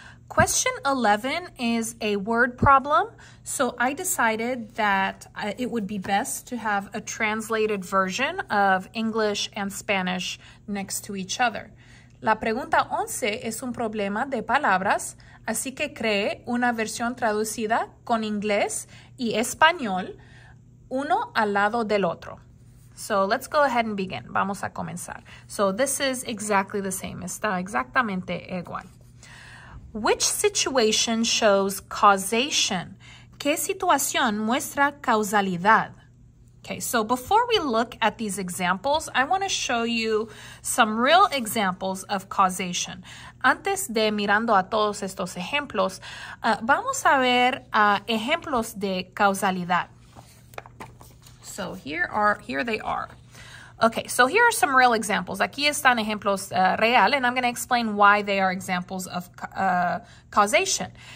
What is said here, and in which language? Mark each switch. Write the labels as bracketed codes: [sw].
[en] Question 11 is a word problem, so I decided that it would be best to have a translated version of English and Spanish next to each other. [es] La pregunta 11 es un problema de palabras, así que creé una versión traducida con inglés y español, uno al lado del otro. [en] So let's go ahead and begin. [es] Vamos a comenzar. [en] So this is exactly the same. [es] Está exactamente igual. [en] Which situation shows causation? [es] ¿Qué situación muestra causalidad? [en] Okay, so before we look at these examples, I want to show you some real examples of causation. [es] Antes de mirando a todos estos ejemplos, vamos a ver ejemplos de causalidad. [en] So here they are. Okay, so here are some real examples. [es] Aquí están ejemplos real, [en] and I'm going to explain why they are examples of causation.